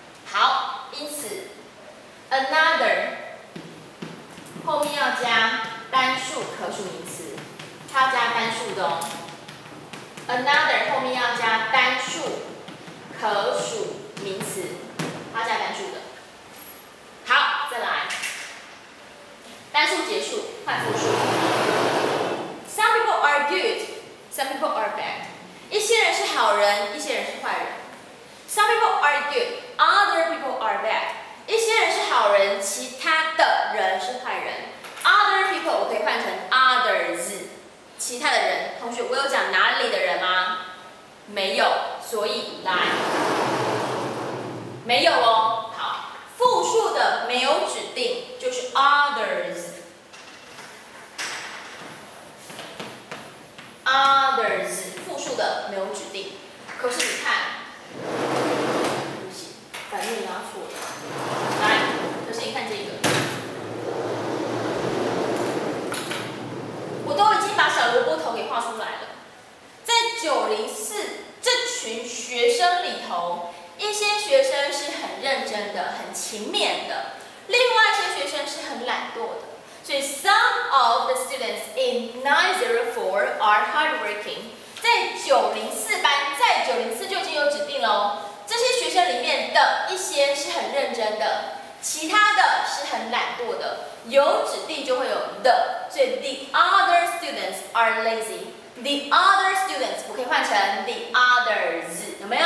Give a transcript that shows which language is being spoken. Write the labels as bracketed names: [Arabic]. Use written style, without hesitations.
[Chinese] 好，因此 another 后面要加单数可数名词，它要加单数的哦。 Another 后面要加单数可数名词，它加单数的。好，再来，单数结束，换复数。 [English] Some people are good, some people are bad. [Chinese] 一些人是好人，一些人是坏人。 [English] Some people are good, other people are bad. [Chinese] 一些人是好人，其他的人是坏人。 Other people 我可以换成 others。其他的人，同学，我有讲哪里的人吗？没有，所以来，没有哦。好，复数的没有指定，就是 others， others 复数的没有指定。可是你看，不行，反面拿错了。来，可是你看这个。我都已经把小萝卜头给画出来了。在904这群学生里头，一些学生是很认真的、很勤勉的，另外一些学生是很懒惰的。 [English] 所以 some of the students in 904 are hardworking。 [Chinese] 在904班，在904就已经有指定了哦。这些学生里面的一些是很认真的，其他的是很懒惰的。有指定就会有 the， 所以 the other students are lazy。 the other students 我可以换成 the others，有没有？